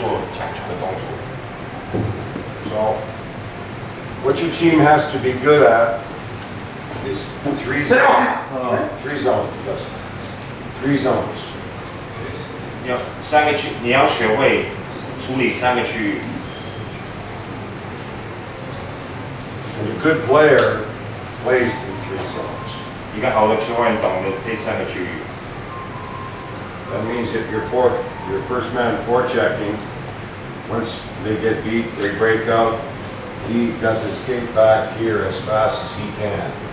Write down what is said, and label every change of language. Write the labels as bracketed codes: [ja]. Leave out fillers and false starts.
[zh] 教练说他在开俄罗斯职业联赛的时候，他们球到回到这个位置的时候，对方根本不会到那去抢。他说俄罗斯的比赛很特别，就是说他会让他带球出来，但是他在这个附近会做抢球的动作。 [en] So, what your team has to be good at is three zones. And a good player plays in three zones. [zh] 一个好的球员懂得这三个区域. [en] That means if your first man forechecking, once they get beat, they break out, he got to skate back here as fast as he can.